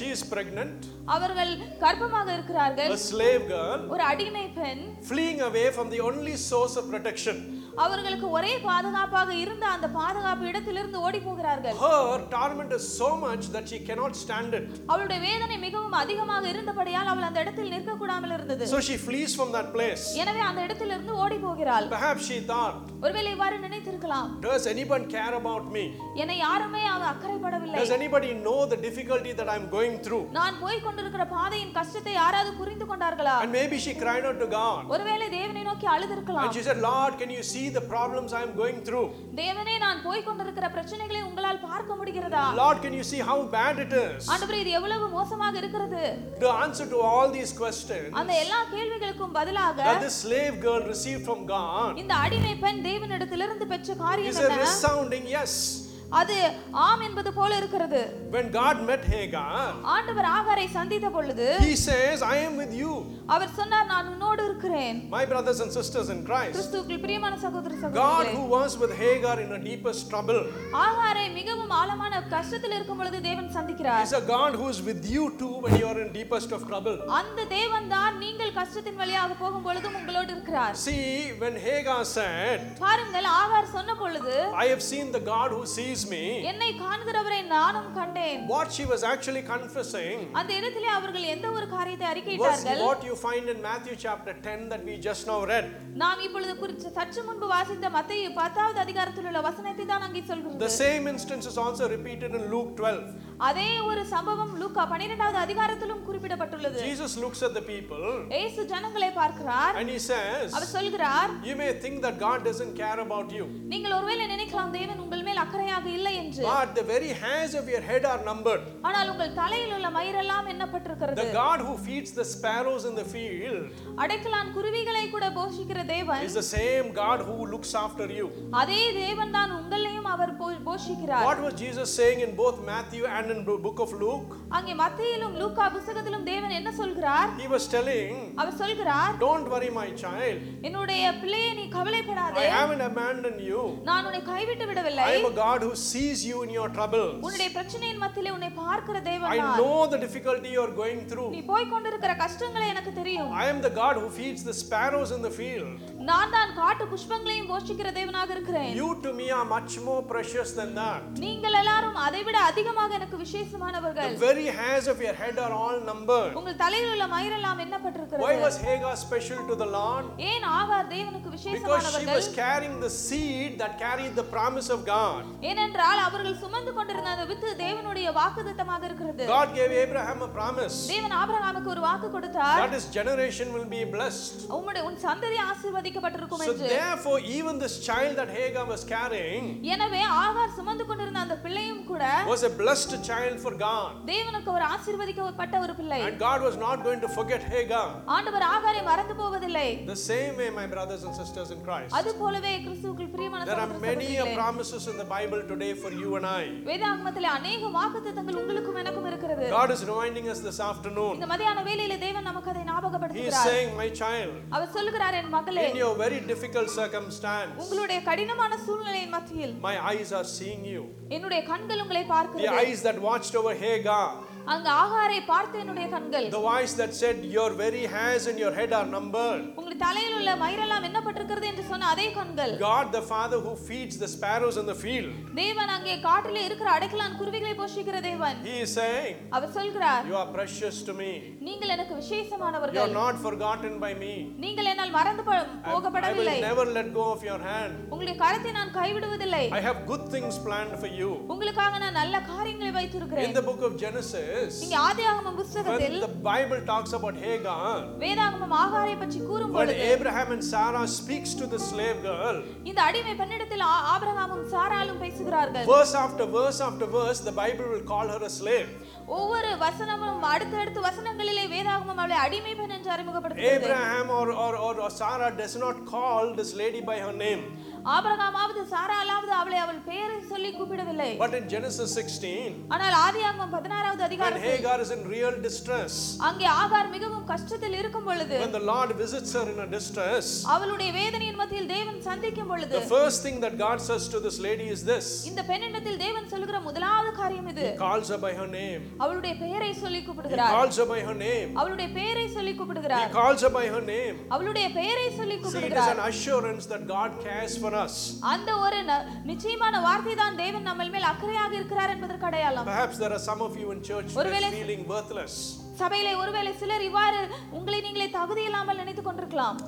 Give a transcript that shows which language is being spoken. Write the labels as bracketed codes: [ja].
[ta] அவள் தன்னை ஒரு கைவிடப்பட்ட ஒரு சூழ்நிலையிலே தன்னை பார்க்கிறாள். ஒரு அடிமை பெண் [en] fleeing away from the only source of protection. [ta] அவர்களுக்கு ஒரே பாதுகாப்பாக இருந்த அந்த பாதுகாப்பு இடத்திலிருந்து ஓடி போகிறார்கள். [en] Her torment is so much that she cannot stand it. [ta] அவளுடைய வேதனை மிகவும் அதிகமாக இருந்தபடியால் அவள் அந்த இடத்தில் நிற்க கூடாமல் இருந்தது. [en] So she flees from that place. [ta] எனவே அந்த இடத்திலிருந்து ஓடி போகிறாள். [en] Perhaps she thought. [ta] ஒருவேளை இவ்வாறு நினைத்திருக்கலாம். [en] Does anyone care about me? [ta] என்னை யாருமே அவ அக்கறைப்படவில்லை. [en] Does anybody know the difficulty that I'm going through? [ta] நான் போய் கொண்டிருக்கிற பாதையின் கஷ்டத்தை யாராவது புரிந்து கொண்டார்களா? [en] And maybe she cried out to God. [ta] ஒருவேளை தேவனை நோக்கி அழுதிருக்கலாம். [en] And she said, Lord, can you see the problems I am going through? [ta] தேவனே நான் போய் கொண்டிருக்கிற பிரச்சனைகளை உங்களால் பார்க்க முடிகிறதா? [en] Lord, can you see how bad it is? [ta] ஆண்டவரே இது எவ்வளவு மோசமாக இருக்கிறது? [en] The answer to all these questions. [ta] அந்த எல்லா கேள்விகளுக்கும் பதிலாக [en] that this slave girl received from God. [ta] இந்த அடிமை பெண் தேவனிடத்திலிருந்து பெற்ற காரியம் என்ன? [en] It is a resounding yes. [ta] அது ஆம் என்பது போல இருக்கிறது. [en] When God met Hagar. [ta] ஆண்டவர் ஆகாரை சந்தித்த பொழுது. [en] He says I am with you. [ta] அவர் சொன்னார் நான் உன்னோடு இருக்கிறேன். [en] My brothers and sisters in Christ. [ta] கிறிஸ்துவுக்கு பிரியமான சகோதர சகோதரிகளே. [en] God who was with Hagar in a deepest trouble. [ta] ஆகாரை மிகவும் ஆழமான கஷ்டத்தில் இருக்கும் பொழுது தேவன் சந்திக்கிறார். [en] He is a God who is with you too when you are in deepest of trouble. [ta] அந்த தேவன்தான் நீங்கள் கஷ்டத்தின் வழியாக போகும் பொழுதும் உங்களோடு இருக்கிறார். [en] See when Hagar said. [ta] பாருங்கள் ஆகார் சொன்ன பொழுது. [en] I have seen the God who sees me. [ta] என்னை காண்கிறவரை நானும் கண்டேன். [en] What she was actually confessing. [ta] அந்த இடத்திலே அவர்கள் எந்த ஒரு காரியத்தை அறிக்கையிட்டார்கள்? [en] What you find in Matthew chapter 10 that we just now read. [ta] நாம் இப்பொழுது குறித்து சற்று முன்பு வாசித்த மத்தேயு 10வது அதிகாரத்தில் உள்ள வசனத்தை தான் அங்கே சொல்கிறது. [en] The same instance is also repeated in Luke 12. [ta] அதே ஒரு சம்பவம் லூக்கா 12வது அதிகாரத்திலும் குறிப்பிடப்பட்டுள்ளது. [en] Jesus looks at the people. [ta] இயேசு ஜனங்களை பார்க்கிறார். [en] And he says. [ta] அவர் சொல்கிறார். [en] You may think that God doesn't care about you. [ta] நீங்கள் ஒருவேளை நினைக்கலாம் தேவன் உங்கள் மேல் அக்கறையாக இல்லை என்று. [en] But the very hairs of your head are numbered. [ta] ஆனால் உங்கள் தலையில் உள்ள மயிரெல்லாம் எண்ணப்பட்டிருக்கிறது. [en] The God who feeds the sparrows in the field. [ta] அடைக்கலான் குருவிகளை கூட போஷிக்கிற தேவன். [en] Is the same God who looks after you. [ta] அதே தேவன் தான் உங்களையும் அவர் போஷிக்கிறார். [en] What was Jesus saying in both Matthew and hand in the book of Luke. [ta] அங்கே மத்தேயிலும் லூக்கா புத்தகத்திலும் தேவன் என்ன சொல்கிறார்? [en] He was telling. [ta] அவர் சொல்கிறார். [en] Don't worry my child. [ta] என்னுடைய பிள்ளையே நீ கவலைப்படாதே. [en] I haven't abandoned you. [ta] நான் உன்னை கைவிட்டு விடவில்லை. [en] I am a God who sees you in your troubles. [ta] உன்னுடைய பிரச்சனையின் மத்தியிலே உன்னை பார்க்கிற தேவன் நான். [en] I know the difficulty you are going through. [ta] நீ போய் கொண்டிருக்கிற கஷ்டங்களை எனக்கு தெரியும். [en] I am the God who feeds the sparrows in the field. [ta] நான் தான் காட்டு புஷ்பங்களையும் போஷிக்கிற தேவனாக இருக்கிறேன். [en] You to me are much more precious than that. [ta] நீங்கள் எல்லாரும் அதைவிட அதிகமாக எனக்கு விசேஷமானவர்கள். [en] The very hairs of your head are all numbered. [ta] உங்கள் தலையில் உள்ள மயிர் எல்லாம் எண்ணப்பட்டிருக்கிறது. [en] Why was Hagar special to the Lord? [ta] ஏன் ஆகார் தேவனுக்கு விசேஷமானவர்கள்? [en] Because she was carrying the seed that carried the promise of God. [ta] ஏனென்றால் அவர்கள் சுமந்து கொண்டிருந்த அந்த வித்து தேவனுடைய வாக்குத்தத்தமாக இருக்கிறது. [en] God gave Abraham a promise. [ta] தேவன் ஆபிரகாமுக்கு ஒரு வாக்கு கொடுத்தார். [en] That his generation will be blessed. [ta] உம்முடைய உன் சந்ததி ஆசீர்வதிக்கப்பட்டிருக்கும் என்று. [en] So therefore even this child that Hagar was carrying. [ta] எனவே ஆகார் சுமந்து கொண்டிருந்த அந்த பிள்ளையும் கூட [en] was a blessed child for God. [ta] தேவனுக்கு ஒரு ஆசீர்வதிக்கப்பட்ட ஒரு பிள்ளை. [en] And God was not going to forget Hagar. [ta] ஆண்டவர் ஆகாரை மறந்து போவதில்லை. [en] The same way my brothers and sisters in Christ. [ta] அதுபோலவே கிறிஸ்துவுக்குள் பிரியமான சகோதரர்களே. [en] There are many a promises in the Bible today for you and I. [ta] வேதாகமத்திலே अनेक வாக்குத்தத்தங்கள் உங்களுக்கும் எனக்கும் இருக்கிறது. [en] God is reminding us this afternoon. [ta] இந்த மதியான வேளையிலே தேவன் நமக்கு அதை ஞாபகப்படுத்துகிறார். [en] He is saying my child. [ta] அவர் சொல்கிறார் என் மகளே. [en] In your very difficult circumstances. [ta] உங்களுடைய கடினமான சூழ்நிலையின் மத்தியில். [en] My eyes are seeing you. [ta] என்னுடைய கண்கள் உங்களை பார்க்கிறது. [en] The eyes that watched over Hagar. [ta] அங்க ஆகாரை பார்த்த என்னுடைய கண்கள். [en] The voice that said your very hairs and your head are numbered. [ta] உங்களுடைய தலையில் உள்ள மயிரெல்லாம் எண்ணப்பட்டிருக்கிறது என்று சொன்ன அதே கண்கள். [en] God the Father who feeds the sparrows in the field. [ta] தேவன் அங்கே காட்டிலே இருக்கிற அடைக்கலான் குருவிகளை போஷிக்கிற தேவன். [en] He is saying. [ta] அவர் சொல்கிறார். [en] You are precious to me. [ta] நீங்கள் எனக்கு விசேஷமானவர்கள். [en] You are not forgotten by me. [ta] நீங்கள் என்னால் மறந்து போகப்படவில்லை. [en] I will never let go of your hand. [ta] உங்களுடைய கரத்தை நான் கைவிடுவதில்லை. [en] I have good things planned for you. [ta] உங்களுக்காக நான் நல்ல காரியங்களை வைத்திருக்கிறேன். [en] In the book of Genesis. [ta] இங்க ஆதியாகமம் புத்தகத்தில் [en] the bible talks about Hagar. [ta] வேதாகமம் ஆகாரை பற்றி கூறும்போது [en] Abraham and Sarah speaks to the slave girl. [ta] இந்த அடிமை பெண்ணிடத்தில் ஆபிரகாமும் சாராளும் பேசுகிறார்கள். [en] verse after verse the bible will call her a slave. [ta] ஒவ்வொரு வசனமும் அடுத்தடுத்து வசனங்களிலே வேதாகமம் அவளை அடிமை பெண் என்று அறிமுகப்படுத்துகிறது. [en] Abraham or Sarah does not call this lady by her name. [ta] ஆபிரகாமாவது சாராளாவது அவளை அவள் பெயரை சொல்லி கூப்பிடவில்லை. [en] But in Genesis 16 [ta] ஆனால் ஆதியாகமம் 16வது அதிகாரத்தில் [en] when Hagar is in real distress. [ta] அங்கே ஆகார் மிகவும் கஷ்டத்தில் இருக்கும் பொழுது [en] when the Lord visits her in a distress. [ta] அவளுடைய வேதனையின் மத்தியில் தேவன் சந்திக்கும் பொழுது [en] the first thing that God says to this lady is this. [ta] இந்த பெண்ணிடத்தில் தேவன் சொல்கிற முதலாவது காரியம் இது. [en] He calls her by her name. [ta] அவளுடைய பெயரை சொல்லி கூப்பிடுகிறார். [en] He calls her by her name. [ta] அவளுடைய பெயரை சொல்லி கூப்பிடுகிறார். [en] He calls her by her name. [ta] அவளுடைய பெயரை சொல்லி கூப்பிடுகிறார். [en] See, it is an assurance that God cares for us. [ta] அந்த ஒரு நிச்சயமான வார்த்தை தான் தேவன் நம்மள் மேல் அக்கறையாக இருக்கிறார் என்பதற்கு அடையாளம். [en] Perhaps there are some of you in church feeling worthless. [ta] சபையிலே ஒருவேளை சிலர் இவ்வாறு உங்களை நீங்களே தகுதி இல்லாமல் நினைத்துக் கொண்டிருக்கலாம்.